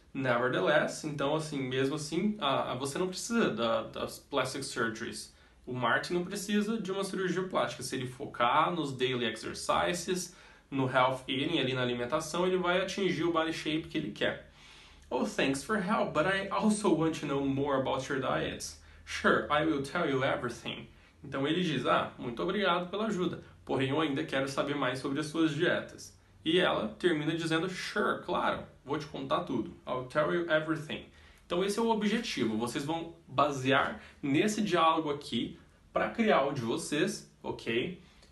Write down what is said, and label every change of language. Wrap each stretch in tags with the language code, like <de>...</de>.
<pt>Nevertheless, então assim, mesmo assim, você não precisa das plastic surgeries. O Martin não precisa de uma cirurgia plástica. Se ele focar nos daily exercises, no health eating, ali na alimentação, ele vai atingir o body shape que ele quer.</pt> <en>Oh, thanks for help, but I also want to know more about your diets. Sure, I will tell you everything.</en> <pt>Então ele diz: ah, muito obrigado pela ajuda, porém eu ainda quero saber mais sobre as suas dietas. E ela termina dizendo:</pt> <en>Sure,</en> <pt>claro, vou te contar tudo.</pt> <en>I'll tell you everything.</en> <pt>Então esse é o objetivo. Vocês vão basear nesse diálogo aqui para criar o de vocês, ok?</pt>